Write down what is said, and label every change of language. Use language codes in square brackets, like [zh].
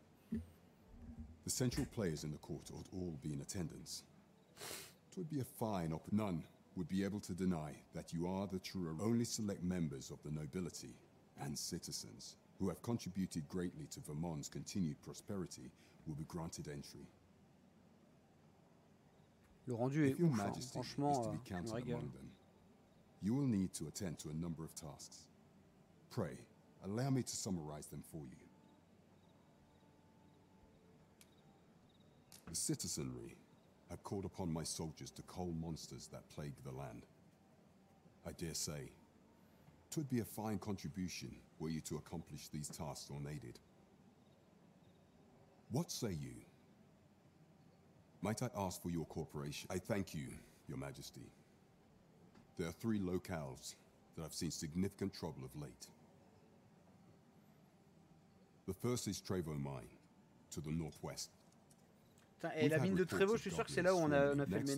[en] The central players in the court ought all be in attendance. It would be a fine op- None would be able to deny that you are the true only select members of the nobility and citizens who have contributed greatly to Vermont's continued prosperity will be granted entry. [fr] Le rendu est ouf, franchement, je me régale. [en] You will need to attend to a number of tasks. Pray, allow me to summarize them for you. The citizenry have called upon my soldiers to cull monsters that plague the land. I dare say, 'twould be a fine contribution were you to accomplish these tasks unaided. What say you? Might I ask for your cooperation? I thank you, Your Majesty. There are three locales that have seen significant trouble of late. The first is Trevo Mine, to the northwest. [fr] Et la mine de Trevo, je suis sûr que c'est là où on a fait le ménage.